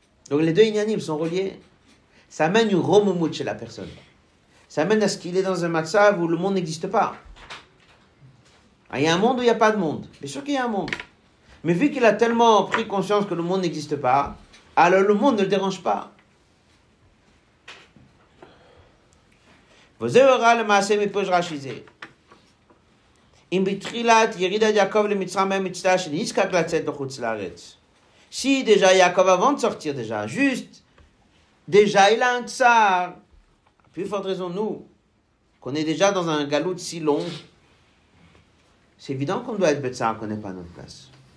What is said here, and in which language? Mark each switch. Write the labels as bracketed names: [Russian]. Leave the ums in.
[French] Donc les deux inanimes sont reliés. Ça amène une romoumout chez la personne. Ça amène à ce qu'il est dans un matzav où le monde n'existe pas. Ah, Il y a un monde où il n'y a pas de monde. Bien sûr qu'il y a un monde. Mais vu qu'il a tellement pris conscience que le monde n'existe pas, alors le monde ne le dérange pas. [Hebrew] וזה הורה למעשה מפוש רש"י זה. אם בתחילת ירידת יעקב למצרים היה מצטער שנזקק לצאת לחוץ לארץ. [French] Si déjà Yaakov, avant de sortir déjà, juste, déjà il a un tsar, plus forte raison nous, qu'on est déjà dans un galop si long, c'est évident qu'on doit être betsar, qu'on n'est pas à notre place.